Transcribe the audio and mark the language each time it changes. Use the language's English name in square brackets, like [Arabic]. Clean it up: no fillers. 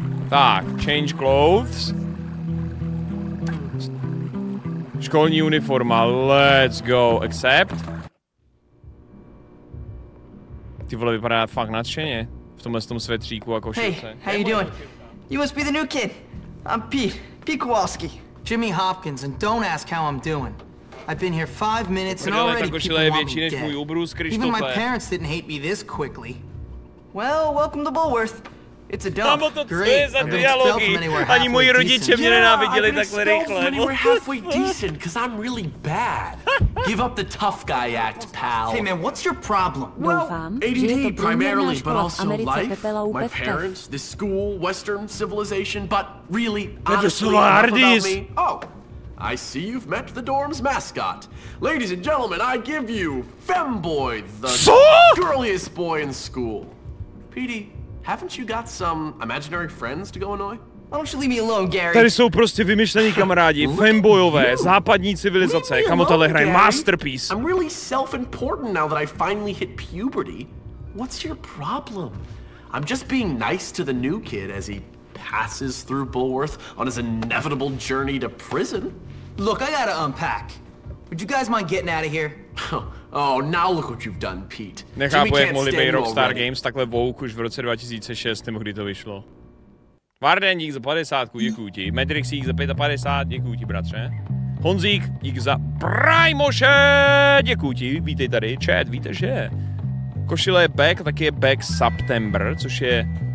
[English] Tak, change clothes. [Czech] Školní uniforma, [English] let's go, accept. [Czech] Ty vole, vypadá fakt nadšeně v tomhle tom svetříku a košilce. [English] Hey, how you doing? You must be the new kid. I'm Pete Kowalski, Jimmy Hopkins, and don't ask how I'm doing. I've been here 5 minutes and already people want me dead. Even my parents didn't hate me this quickly. Well, welcome to Bulworth. It's a dump. Great. [Czech] Ani moji rodiče mě nenáviděli takhle rychle. [English] Yeah, we're halfway decent because I'm really bad. Give up the tough guy act, pal. Hey man, what's your problem? Well, ADD primarily, but also life, my parents, this school, Western civilization, but really, honestly, about me. Oh. I see you've met the dorm's mascot. Ladies and gentlemen, I give you Femboy, the girliest boy in school. Petey, haven't you got some imaginary friends to go annoy? Why don't you leave me alone, Gary? [Czech] Tady jsou prostě vymyšlení kamarádi, Fembojové, západní civilizace. Kamo, tohle hraje masterpiece. [English] I'm really self-important now that I finally hit puberty. What's your problem? I'm just being nice to the new kid as he... passes through Bulworth on his inevitable journey to prison. Look, I gotta unpack. Would you guys mind getting out of here? Oh, now look what you've done, Pete. [Czech] Nechápu, jak mohli být Rockstar Games takhle woke už v roce 2006, nebo kdy to vyšlo. Varden, dík za 50, děkuju ti. Matrix, dík za 55, děkuju ti, bratře. Honzík, dík za Primoše, děkuju ti. Vítej tady, chat, víte, že? Košile je back, taky je back September, což je...